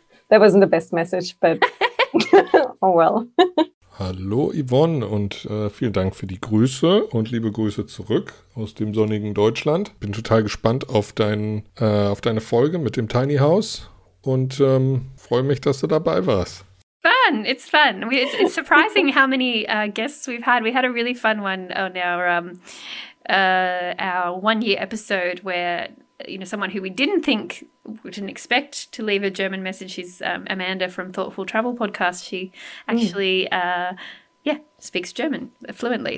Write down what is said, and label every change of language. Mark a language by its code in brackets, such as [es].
[en] That wasn't the best message, but oh well. [de] Hallo Yvonne und vielen Dank für die Grüße und liebe Grüße zurück aus dem sonnigen Deutschland. Bin total gespannt auf deine Folge mit dem Tiny House und freue mich, dass du dabei warst. [en] Fun, it's fun. It's surprising how many guests we've had. We had a really fun one on our 1 year episode where, you know, someone who we didn't expect to leave a German message. She's Amanda from Thoughtful Travel Podcast. She actually, speaks German fluently.